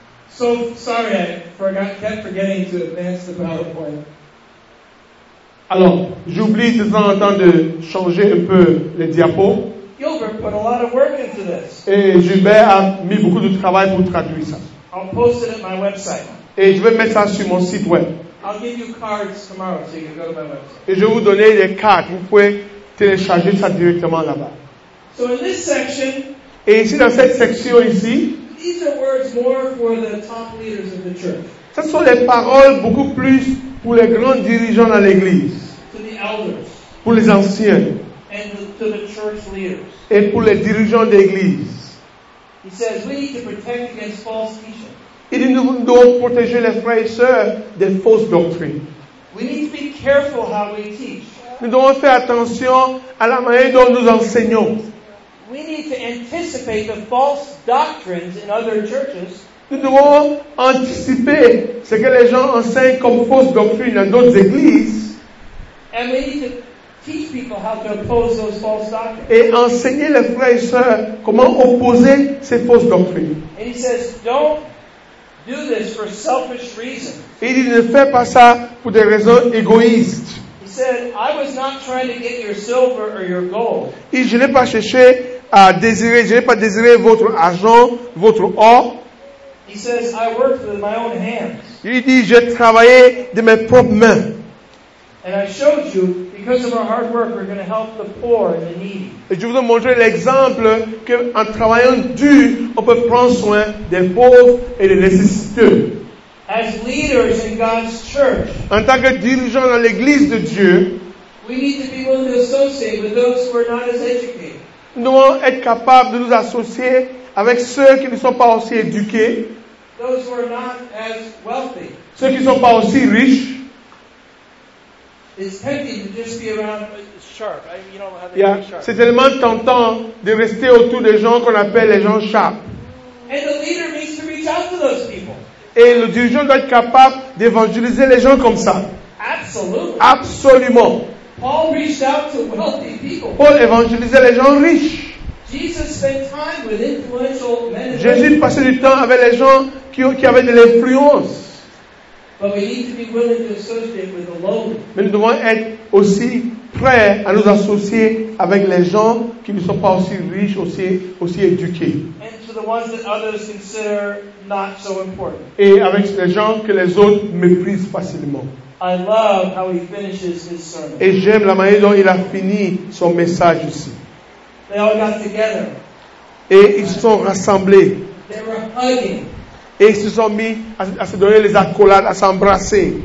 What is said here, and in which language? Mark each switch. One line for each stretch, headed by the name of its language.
English: So, sorry, I kept forgetting to advance the PowerPoint.
French: Alors, j'oublie de temps en temps de changer un peu les diapos.
English: Gilbert put a lot of work into this.
French: Et Gilbert a mis beaucoup de travail pour traduire ça.
English: I'll post it at my website.
French: Et je vais mettre ça sur mon site web.
English: I'll give you cards tomorrow so you can go to my website.
French: Et je vais vous donner des cartes. Vous pouvez télécharger ça directement là-bas.
English: So in this section,
French: et ici, dans cette section ici,
English: these are words more for the top leaders of the church.
French: Ce sont les paroles beaucoup plus pour les grands dirigeants dans l'Église, pour les anciens,
English: and to the church leaders.
French: Et pour les dirigeants d'Église.
English: He says, we need to protect against false teaching.
French: Il dit, nous devons protéger les frères et sœurs des fausses doctrines.
English: We need to be careful how we teach.
French: Nous devons faire attention à la manière dont nous enseignons.
English: We need to anticipate the false doctrines in other churches.
French: Nous devons anticiper ce que les gens enseignent comme fausse doctrine dans d'autres églises.
English: And we need to teach people how to oppose those false doctrines.
French: Et enseigner les frères et sœurs comment opposer ces fausses doctrines.
English: And he says, don't do this for selfish reasons.
French: Et il dit, ne fais pas ça pour des raisons égoïstes.
English: He said, I was not trying to get your silver or your gold.
French: Et je n'ai pas cherché à désirer, je n'ai pas désiré votre argent, votre or.
English: He says, I worked with my own hands.
French: Il dit, j'ai travaillé de mes propres mains.
English: And I showed you, because of our hard work, we're going to help the poor and the needy.
French: Et je vous ai montré l'exemple qu'en travaillant dur, on peut prendre soin des pauvres et des nécessiteux.
English: As leaders in God's church,
French: en tant que dirigeants dans l'Église de Dieu,
English: we need to be willing to associate with those who are not as educated.
French: Nous devons être capables de nous associer avec ceux qui ne sont pas aussi éduqués.
English: those who are not as wealthy.
French: Ceux qui sont pas aussi riches.
English: It's tempting to just be around. It's sharp. You don't have to yeah. be sharp.
French: C'est tellement tentant de rester autour des gens qu'on appelle les gens sharp.
English: And the leader needs to reach out to those people.
French: Et le dirigeant doit être capable d'évangéliser les gens comme ça.
English: Absolutely.
French: Absolument.
English: Paul reached out to wealthy people.
French: Paul évangélisait les gens riches.
English: Jesus spent time with influential men and
French: Jésus
English: men.
French: Passait du temps avec les gens qui avaient de l'influence.
English: But we need to be willing to associate with the lowly.
French: Mais nous devons être aussi prêts à nous associer avec les gens qui ne sont pas aussi riches, aussi éduqués.
English: And to the ones that others consider not so important.
French: Et avec les gens que les autres méprisent facilement.
English: I love how he finishes his sermon.
French: Et j'aime la manière dont il a fini son message ici.
English: They all got together.
French: Et ils se sont rassemblés.
English: They were hugging.
French: Et ils se sont mis à se donner les accolades, à s'embrasser.